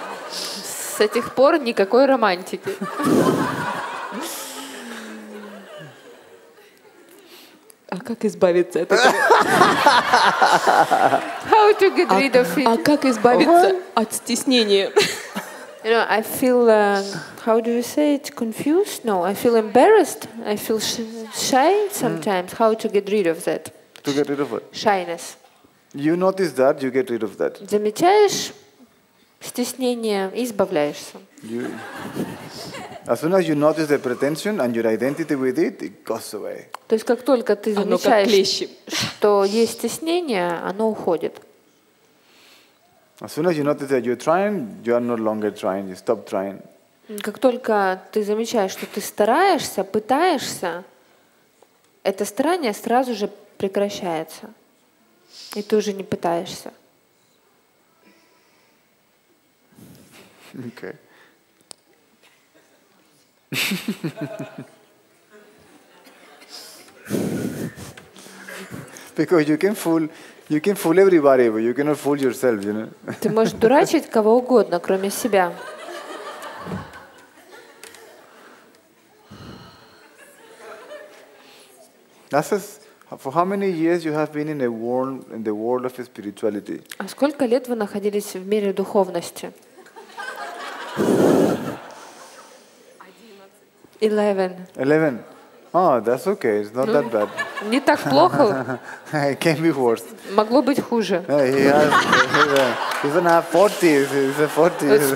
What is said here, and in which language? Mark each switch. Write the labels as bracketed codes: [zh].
[ru] С этих пор никакой романтики. А как избавиться от этого? [en] How to get rid of it? [ru] А как избавиться от стеснения? [en] You know, I feel, how do you say it, confused? No, I feel embarrassed. I feel shy sometimes. How to get rid of that? To get rid of what? Shyness. You notice that, you get rid of that. [ru] Замечаешь стеснение и избавляешься. [en] You, as soon as you notice the pretension and your identity with it, it goes away. [ru] То есть как только ты замечаешь, что есть стеснение, оно уходит. [en] As soon as you notice that you're trying, you are no longer trying, you stop trying. [ru] Как только ты замечаешь, что ты стараешься, пытаешься, это старание сразу же прекращается. И ты уже не пытаешься. [en] Okay. Because you can fool everybody, but you cannot fool yourself, you know. [ru] Ты можешь дурачить кого угодно, кроме себя. [en] That is for how many years you have been in the world of spirituality? [ru] А сколько лет вы находились в мире духовности? [en] 11. Oh, that's okay. It's not that bad. [ru] Не так плохо. [en] It can be worse. [ru] Могло быть хуже. [en] He's in his 40s. He's in 40s.